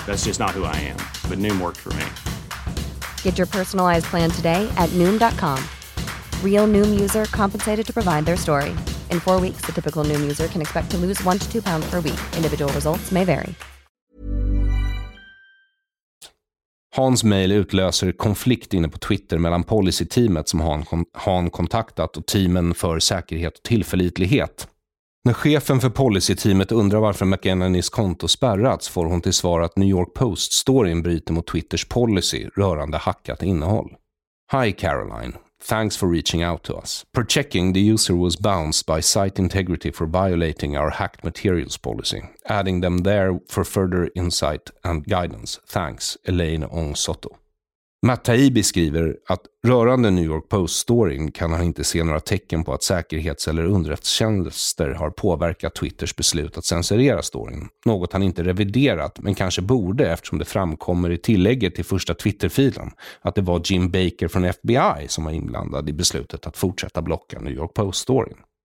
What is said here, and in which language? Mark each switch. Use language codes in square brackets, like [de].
[en] That's just not who I am. But Noom worked for me. Get your personalized plan today at Noom.com. Real Noom user compensated to provide their story. In 4 weeks, the typical Noom user can expect to lose 1 to 2 pounds per week. Individual results may vary. [sv] Hans mail utlöser konflikt inne på Twitter mellan policy-teamet som han kontaktat och teamen för säkerhet och tillförlitlighet. När chefen för policy-teamet undrar varför McEnanys konto spärrats får hon till svar att New York Post står i en bryter mot Twitters policy rörande hackat innehåll. [en] Hi Caroline, thanks for reaching out to us. Per checking, the user was bounced by site integrity for violating our hacked materials policy. Adding them there for further insight and guidance. Thanks, Elaine Ong Soto. [sv] Matt Taibbi skriver att rörande New York Post-storyn kan han inte se några tecken på att säkerhets- eller underrättelsetjänster har påverkat Twitters beslut att censurera storyn. Något han inte reviderat, men kanske borde eftersom det framkommer i tillägget till första Twitter-filen att det var Jim Baker från FBI som var inblandad i beslutet att fortsätta blocka New York Post-storyn.